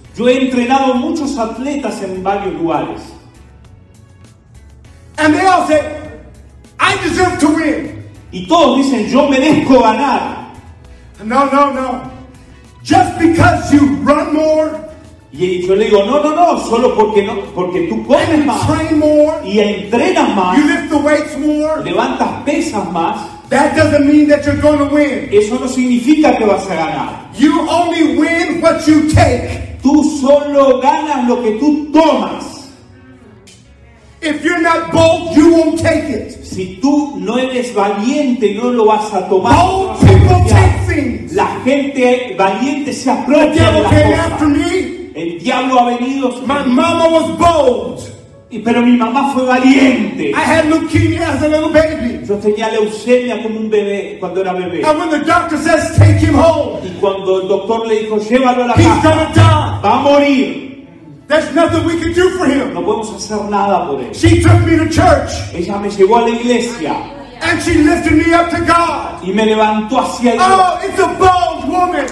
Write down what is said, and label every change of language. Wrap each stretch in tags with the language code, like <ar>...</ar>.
<es>Yo he entrenado muchos atletas en varios lugares.</es> <en>And they all say, I deserve to win.</en> <es>Y todos dicen, yo merezco ganar.</es> <en>No. Just because you run more,</en> <es>Y yo le digo, no, no, no, solo porque no, porque tú comes más</es> <en>train more,</en> <es>y entrenas más,</es> <en>you lift the weights more,</en> <es>levantas pesas más.</es> <en>That doesn't mean that you're going to win.</en> <es>Eso no significa que vas a ganar.</es> <en>You only win what you take.</en> <es>Tú solo ganas lo que tú tomas.</es> <en>If you're not bold, you won't take it.</en> <es>Si tú no eres valiente, no lo vas a tomar.</es> <en>Bold people take things.</en> <es>La gente valiente se apropia de las cosas.</es> <en>Came after me.</en> <es>El diablo ha venido.</es> <en>My mama was bold.</en> <es>Pero mi mamá fue valiente.</es> <en>I had leukemia as a little baby.</en> <es>Yo tenía leucemia como un bebé cuando era bebé.</es> <en>And when the doctor says, take him home.</en> <es>Y cuando el doctor le dijo, llévalo a la casa.</es> <en>He's gonna die.</en> <es>Va a morir.</es> <en>There's nothing we can do for him.</en> <es>No podemos hacer nada por él.</es> <en>She took me to church.</en> <es>Ella me llevó a la iglesia.</es> <en>And she lifted me up to God.</en> <es>Y me levantó hacia Dios.</es> <en>Oh, it's a bold woman.</en>